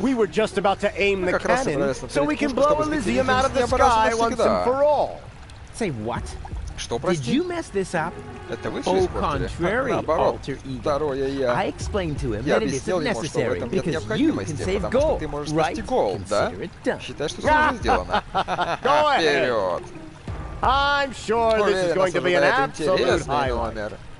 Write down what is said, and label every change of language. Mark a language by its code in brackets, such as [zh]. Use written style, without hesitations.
[en] We were just about to aim the cannon so we can blow Elysium out of the sky once and for all. Say what? [ru] Что, прости? [en] Did you mess this up? [ru] Это вы все испортили? Наоборот. Alter ego. Второе я. [en] I explained to him that it isn't necessary because you can save gold. [ru] Ты можешь спасти gold, да? Считай, что все уже сделано. Вперед. [en] I'm sure this is going to be an absolute high honor.